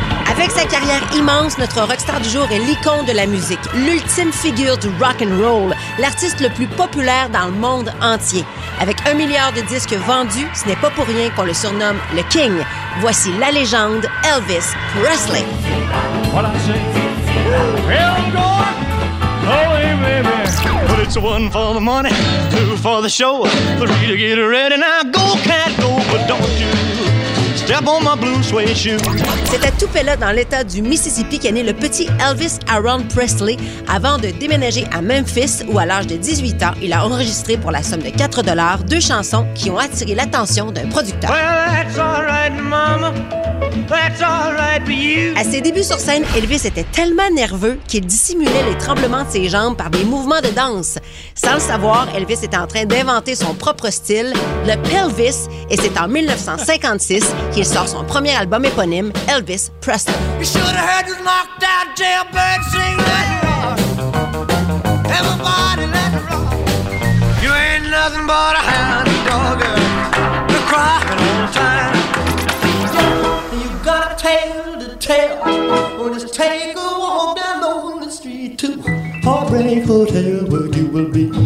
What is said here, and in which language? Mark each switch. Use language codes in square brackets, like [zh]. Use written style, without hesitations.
[fr] Avec sa carrière immense, notre rockstar du jour est l'icône de la musique, l'ultime figure du rock and roll, l'artiste le plus populaire dans le monde entier. Avec 1 milliard de disques vendus, ce n'est pas pour rien qu'on le surnomme le King. Voici la légende Elvis Presley. [en] What I say, but it's one for the money, two for the show, three to get ready, now go cat go, but don't you... [fr] C'est à Tupelo, dans l'État du Mississippi, qu'est né le petit Elvis Aaron Presley. Avant de déménager à Memphis, où à l'âge de 18 ans, il a enregistré pour la somme de 4 $ deux chansons qui ont attiré l'attention d'un producteur. [en] Well, that's all right, mama. That's all right for you. [fr] À ses débuts sur scène, Elvis était tellement nerveux qu'il dissimulait les tremblements de ses jambes par des mouvements de danse. Sans le savoir, Elvis était en train d'inventer son propre style, le Pelvis, et c'est en 1956 qu'il sort son premier album éponyme, Elvis Presley. [en] You should have heard this knocked-out jailbird sing, let it rock. Everybody let it rock. You ain't no nothing but a hound dog to cry all the time. Yeah, you got a tale to tell, or just take a walk down lonely street to Heartbreak Hotel where you will be.